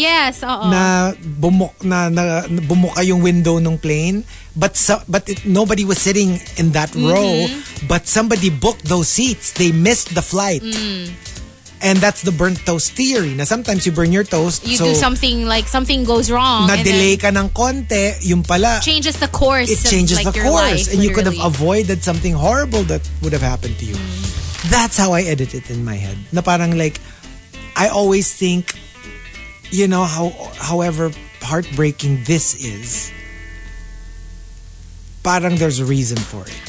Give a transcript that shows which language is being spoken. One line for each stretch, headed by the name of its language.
English: Yes, oo.
Filipino: Na bumuka yung window ng plane.
English: But nobody was sitting in that row. But somebody booked those seats. They missed the flight. Mm. And that's the burnt toast theory. Now, sometimes you burn your toast. You so do something, like something goes wrong.
Filipino: Na-delay ka ng konti, yung pala.
English: Changes the course. It changes of, like, the course. Life, and literally. You could have avoided something horrible that would have happened to you. Mm. That's how I edit it in my head.
Filipino: Na parang like,
English: I always think, you know, however heartbreaking this is,
Filipino: parang
English: there's a reason for it.